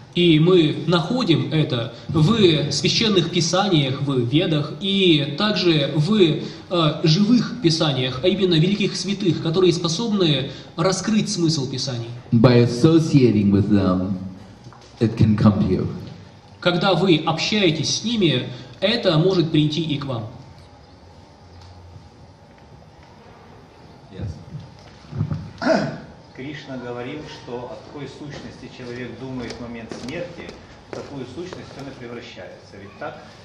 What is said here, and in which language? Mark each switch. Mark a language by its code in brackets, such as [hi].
[ru] И мы находим это в священных писаниях, в ведах, и также в живых писаниях, а именно великих святых, которые способны раскрыть смысл писаний. [en] By associating with them, it can come to you. [ru] Когда вы общаетесь с ними, это может прийти и к вам. Кришна говорил, что о такой сущности человек думает в момент смерти, в такую сущность он и превращается. Ведь так?